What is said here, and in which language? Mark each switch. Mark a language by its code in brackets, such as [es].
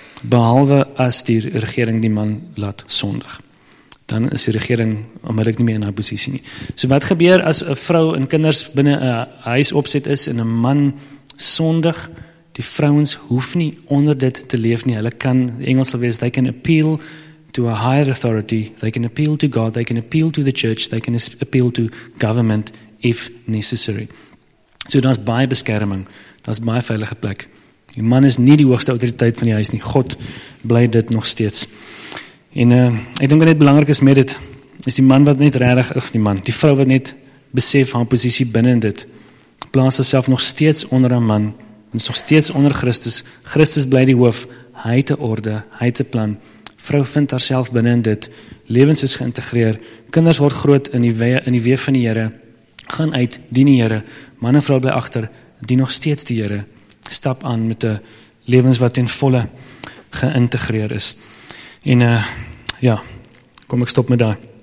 [af] Behalwe as die regering die man laat sondig. Dan is die regering onmiddellik nie meer in haar posisie nie. So wat gebeur as 'n vrou en kinders binne 'n huis opset is en 'n man sondig, die vrouens hoef nie onder dit te leef nie. Hulle kan, Engels sal wees, [en] they can appeal to a higher authority, they can appeal to God, they can appeal to the church, they can appeal to government if necessary. [af] So daar is baie beskerming, daar is baie veilige plek. Die man is nie die hoogste autoriteit van die huis nie. God bly dit nog steeds. En ek dink net belangrik is met dit, is die man wat net regtig, of die man, die vrou wat net besef haar posisie binnen dit, plaas haarself nog steeds onder haar man, en is nog steeds onder Christus. Christus bly die hoof, hy het 'n orde, hy het 'n plan. Vrou vind haarself binnen dit, lewens is geïntegreer, kinders word groot in die weë van die Here, gaan uit, dien die Here, man en vrou bly agter, dien nog steeds die Here, stap aan met 'n lewens wat ten volle geïntegreer is. En ja, kom ek stop met daar.